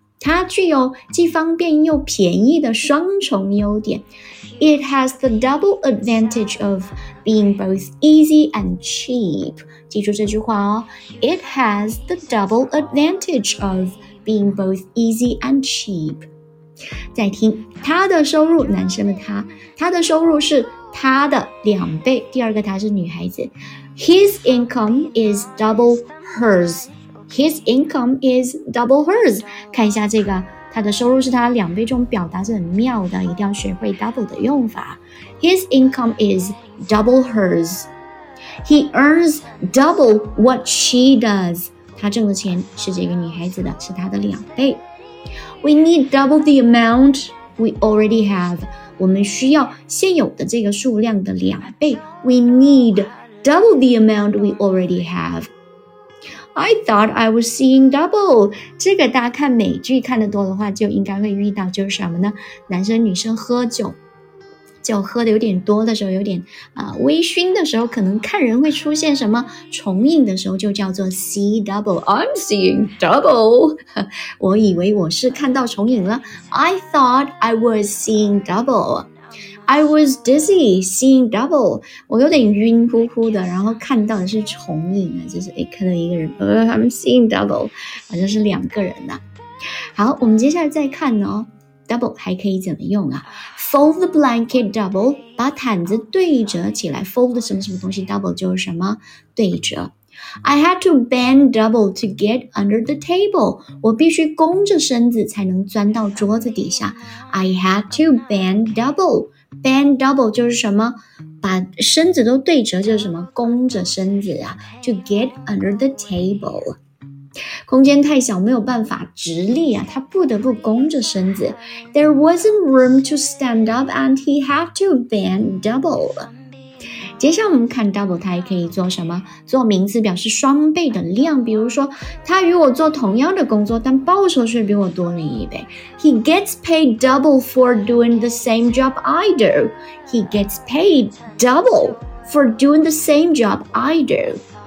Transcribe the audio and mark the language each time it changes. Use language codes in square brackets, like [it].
[zh] 它具有既方便又便宜的双重优点。 [en] It has the double advantage of being both easy and cheap. [zh] 记住这句话哦。 [en] It has the double advantage of being both easy and cheap. [zh] 再听，他的收入，男生的他，他的收入是他的两倍。第二个他是女孩子。 [en] His income is double hers.His income is double hers. [zh] 看一下这个他的收入是他两倍，这种表达是很妙的，一定要学会 double 的用法。 [en] His income is double hers. He earns double what she does. [zh] 他挣的钱是这个女孩子的，是他的两倍。 [en] We need double the amount we already have. [zh] 我们需要现有的这个数量的两倍。 [en] We need double the amount we already have. I thought I was seeing double. [zh] 这个大家看美剧看得多的话就应该会遇到，就是什么呢？男生女生喝酒，酒喝的有点多的时候，有点微醺的时候，可能看人会出现什么重影的时候，就叫做 see double. [en] I'm seeing double. [zh] 我以为我是看到重影了。 [en] I thought I was seeing double. I was dizzy, seeing double. [zh] 我有点晕乎乎的，然后看到的是重影啊，就是看到一个人。 [en] I'm seeing double, [zh] 好像是两个人啊。好，我们接下来再看哦， double 还可以怎么用啊？ [en] Fold the blanket double, [zh] 把毯子对折起来。 Fold 什么什么东西， double 就是什么对折。 [en] I had to bend double to get under the table. [zh] 我必须弓着身子才能钻到桌子底下。 [en] I had to bend double. [zh] Bend double 就是什么，把身子都对折，就是什么弓着身子啊，就 [en] get under the table， [zh] 空间太小没有办法直立啊，他不得不弓着身子。 [en] There wasn't room to stand up and he had to bend double。 [zh] 接下来我们看 double 它还可以做什么，做名词表示双倍的量，比如说他与我做同样的工作，但报酬却比我多了一倍。 [en] He gets paid double for doing the same job I do. He gets paid double for doing the same job I do.